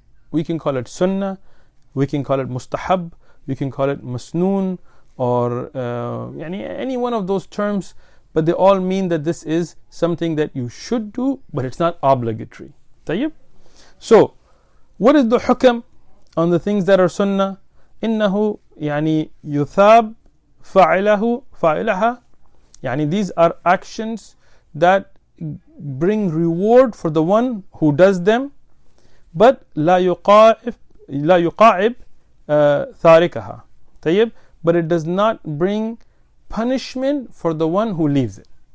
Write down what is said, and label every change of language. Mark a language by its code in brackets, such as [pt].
[en] We can call it sunnah, we can call it mustahab, we can call it masnoon, or any one of those terms But they all mean that this is something that you should do, but it's not obligatory. [ar] طيب. [en] So, what is the hukam on the things that are sunnah? [ar] إنه يعني يثاب فعله فعلها. يعني [en] these are actions that bring reward for the one who does them, but [ar] لا يقاعب تاركها. طيب. [en] But it does not bring punishment for the one who leaves it.